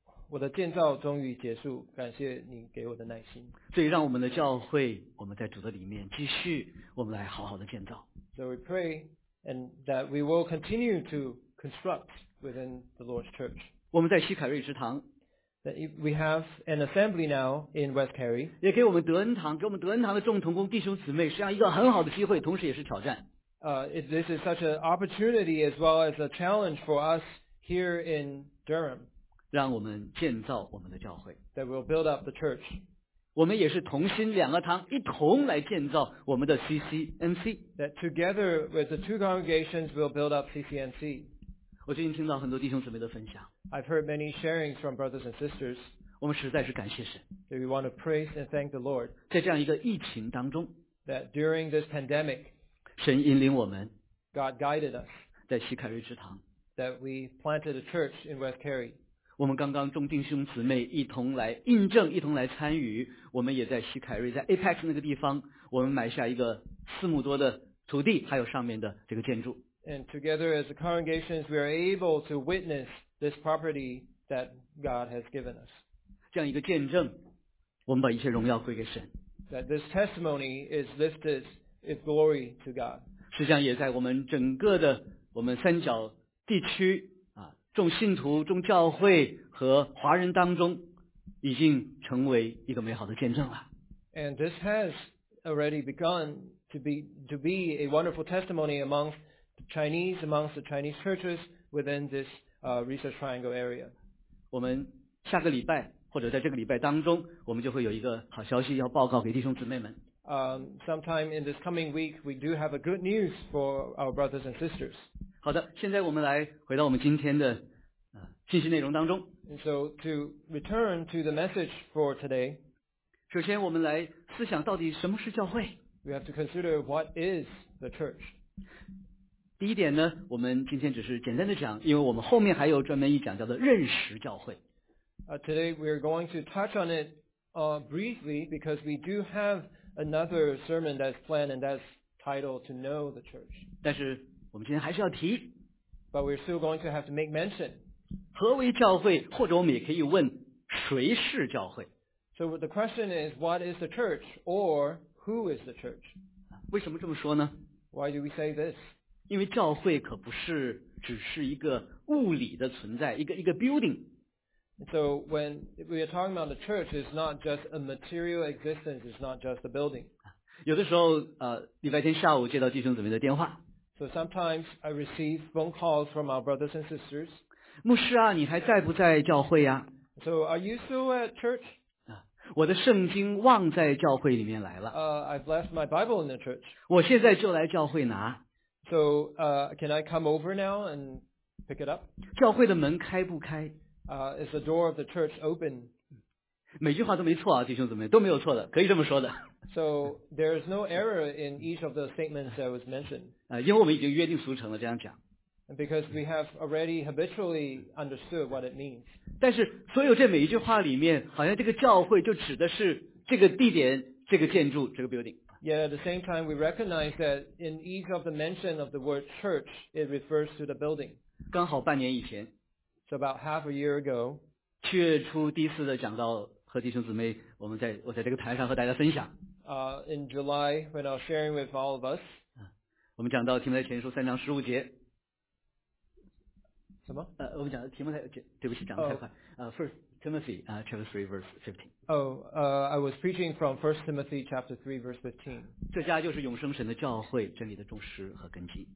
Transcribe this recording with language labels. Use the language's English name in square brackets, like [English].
[Chinese] 我的建造终于结束，感谢你给我的耐心。所以让我们的教会，我们在主的里面继续，我们来好好的建造。 [English] So we pray and that we will continue to construct within the Lord's church. [Chinese] 我们在西凯瑞职堂。 [English] That we have an assembly now in West Cary. [Chinese] 也给我们德恩堂，给我们德恩堂的众同工弟兄姊妹，实际上一个很好的机会，同时也是挑战。 [English] This is such an opportunity as well as a challenge for us here in Durham. [Chinese] 让我们建造我们的教会。 [English] That we'll build up the church. [Chinese] 我们也是同心两个堂一同来建造我们的 CCMC。 [English] That together with the two congregations will build up CCMC。 [Chinese] 我最近听到很多弟兄姊妹的分享。 [English] I've heard many sharings from brothers and sisters。 [Chinese] 我们实在是感谢神。 [English] That we want to praise and thank the Lord。 [Chinese] 在这样一个疫情当中。 [English] That during this pandemic。 [Chinese] 神引领我们。 [English] God guided us。 [Chinese] 在西凯瑞之堂。 [English] That we planted a church in West Cary。 [Chinese] 我们刚刚众弟兄姊妹一同来印证一同来参与我们也在西凯瑞在 APEX 那个地方我们买下一个四亩多的土地还有上面的这个建筑 [English] And together as the congregations we are able to witness this property that God has given us [Chinese] 这样一个见证我们把一切荣耀归给神 [English] That this testimony is lifted in glory to God [Chinese] 实际上也在我们整个的我们三角地区众信徒众教会和华人当中已经成为一个美好的见证了 [English] And this has already begun to be a wonderful testimony amongst the Chinese churches within this Research Triangle area [Chinese] 我们下个礼拜或者在这个礼拜当中我们就会有一个好消息要报告给弟兄姊妹们 [English] Sometime in this coming week we do have a good news for our brothers and sisters [Chinese] 好的，现在我们来回到我们今天的信息内容当中。 [English] And so to return to the message for today， [Chinese] 首先我们来思想到底什么是教会。 [English] We have to consider what is the church。 [Chinese] 第一点呢，我们今天只是简单的讲，因为我们后面还有专门一讲叫做认识教会。 [English] Today we are going to touch on it briefly because we do have another sermon that's planned and that's titled to know the church。 [Chinese] 但是我们今天还是要提 [English] But we're still going to have to make mention [Chinese] 何为教会或者我们也可以问谁是教会 [English] So the question is what is the church or who is the church [Chinese] 为什么这么说呢 [English] Why do we say this [Chinese] 因为教会可不是只是一个物理的存在一个 building [English] So when we are talking about the church it's not just a material existence it's not just a building [Chinese] 有的时候礼拜天下午接到弟兄姊妹的电话 [English] So sometimes I receive phone calls from our brothers and sisters. [Chinese] 牧师啊，你还在不在教会呀、啊、 [English] ？So are you still at church? [Chinese] 我的圣经忘在教会里面来了。 [English] I've left my Bible in the church. [Chinese] 我现在就来教会拿。 [English] So can I come over now and pick it up? [Chinese] 教会的门开不开 [English] ？Is the door of the church open? [Chinese] 每句话都没错啊，弟兄姊妹都没有错的，可以这么说的。 [English] So there is no error in each of the statements that was mentioned. [Chinese] 因为我们已经约定俗成了这样讲。 [English] And because we have already habitually understood what it means. [Chinese] 但是所有这每一句话里面，好像这个教会就指的是这个地点、这个建筑、这个 building. [English] Yet at the same time, we recognize that in each of the mention of the word church, it refers to the building. [Chinese] 刚好半年以前。 [English] So about half a year ago. [Chinese] 七月初第一次的讲到和弟兄姊妹，我在这个台上和大家分享。 [English] In July, when I was sharing with all of us, [Chinese] 我们讲到提摩太前书三章十五节。什么？我们讲提摩太，对不起，讲得太快。 [English] First Timothy, chapter 3, verse 15. I was preaching from First Timothy, chapter 3, verse 15. [Chinese] 这家就是永生神的教会，真理的忠实和根基。